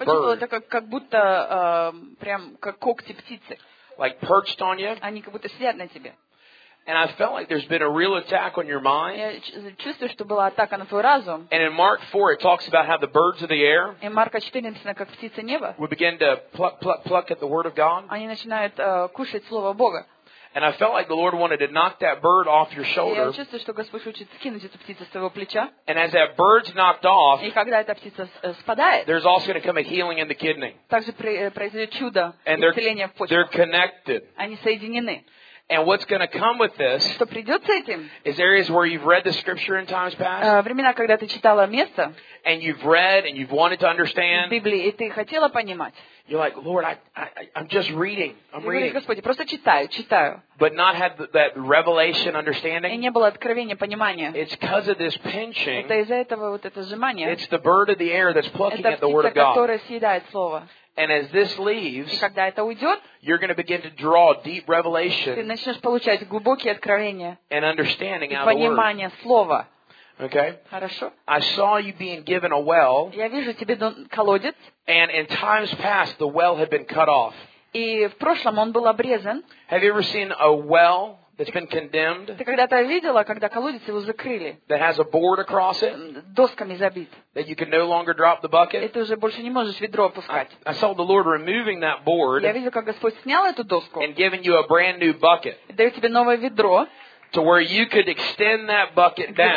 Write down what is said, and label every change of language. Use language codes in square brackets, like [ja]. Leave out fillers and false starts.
[ru] Я почувствовала это как будто прям как когти птицы. [en] Like perched on you. [ru] Они как будто сидят на тебе. [en] And I felt like there's been a real attack on your mind. [ru] Я чувствую, что была атака на твой разум. [en] And in Mark 4, it talks about how the birds of the air. [ru] И Марка 4 написано, как птицы неба. [en] We begin to pluck at the word of God. [ru] Они начинают кушать слово Бога. [en] And I felt like the Lord wanted to knock that bird off your shoulder. [ru] Я чувствую, что Господь хочет скинуть эту птицу с твоего плеча. [en] And as that bird's knocked off. [ru] И когда эта птица спадает. [en] There's also going to come a healing in the kidney. [ru] Также произойдет чудо исцеления в почках. [en] They're connected. [ru] Они соединены. [en] And what's going to come with this? [ru] Что придёт с этим? [en] Is areas where you've read the scripture in times past? [ru] Времена, когда ты читала место. [en] And you've read and you've wanted to understand. [ru] Библии, и ты хотела понимать. [en] You're like, Lord, I'm just reading. I'm reading. [ru] Господи, просто читаю. [en] But not have that revelation understanding. [ru] И не было откровения, понимания. [en] It's because of this pinching. [ru] Это из-за этого вот это сжимание. [en] It's the bird of the air that's plucking [ru] птица, [en] at the word of God. [ru] Это птица, которая съедает слово. [en] And as this leaves, [ru] и когда это уйдет, [en] you're going to begin to draw deep revelation. [ru] Ты начнешь получать глубокие откровения. [en] And understanding out of the word. [ru] Понимание слова. [en] Okay. [ru] Хорошо. [en] I saw you being given a well. [ru] Я вижу тебе колодец. [en] And in times past, the well had been cut off. [ru] И в прошлом он был обрезан. [en] Have you ever seen a well that's been condemned? [ru] Ты когда-то видела, когда колодец его закрыли? [en] That has a board across it. [ru] Досками забит. [en] That you can no longer drop the bucket. [ru] И ты уже больше не можешь ведро опускать. [en] I saw the Lord removing that board. [ru] Я видел, как Господь снял эту доску. [en] And giving you a brand new bucket. [ru] Дает тебе новое ведро. [en] To where you could extend that bucket down.